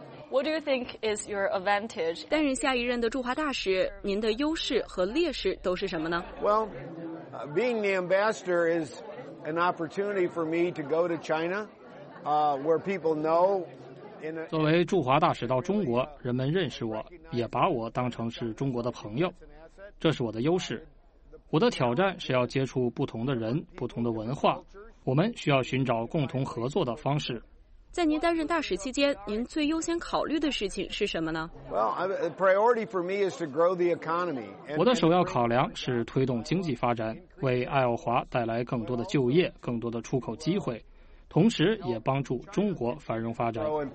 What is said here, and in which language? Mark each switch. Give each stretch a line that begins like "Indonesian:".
English: What do you think is your advantage?
Chinese: 担任下一任的驻华大使，您的优势和劣势都是什么呢
English: ？Well. Being the ambassador is an opportunity for me to go to China, where people know.
Chinese: 作为驻华大使到中国，人们认识我，也把我当成是中国的朋友，这是我的优势。我的挑战是要接触不同的人、不同的文化，我们需要寻找共同合作的方式。在您担任大使期间，您最优先考虑的事情是什么呢
English: ？Well, the priority for me is to grow the economy.
Chinese: 我的首要考量是推动经济发展，为爱奥华带来更多的就业、更多的出口机会，同时也帮助中国繁荣发展。